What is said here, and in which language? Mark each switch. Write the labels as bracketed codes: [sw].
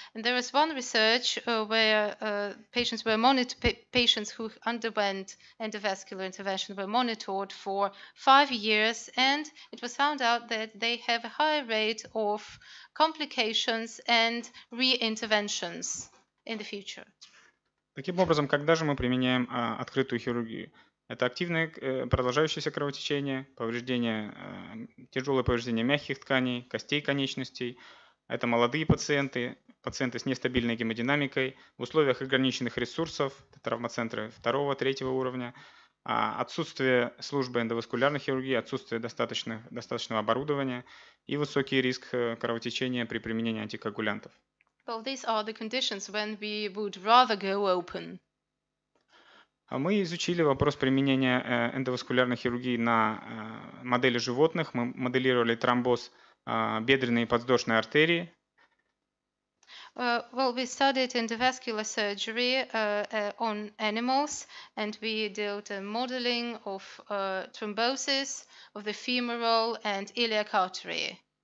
[en] And there is one research where patients were monitored, patients who underwent endovascular intervention were monitored for 5 years, and it was found out that they have a high rate of complications and re-interventions in the future. [ru] Таким образом, когда же мы применяем открытую хирургию? Это активное продолжающееся кровотечение, повреждение, тяжелое повреждение мягких тканей, костей конечностей. Это молодые пациенты, пациенты с нестабильной гемодинамикой, в условиях ограниченных ресурсов, травмоцентры второго, третьего уровня, отсутствие службы эндоваскулярной хирургии, отсутствие достаточного оборудования и высокий риск кровотечения при применении антикоагулянтов. [en] Well, these are the conditions when we would rather go open. [ru] Мы изучили вопрос применения эндоваскулярной хирургии на модели животных. Мы моделировали тромбоз бедренной и подвздошной артерии. [en] Well, we studied endovascular surgery on animals, and we did a modeling of thrombosis of the femoral and iliac artery.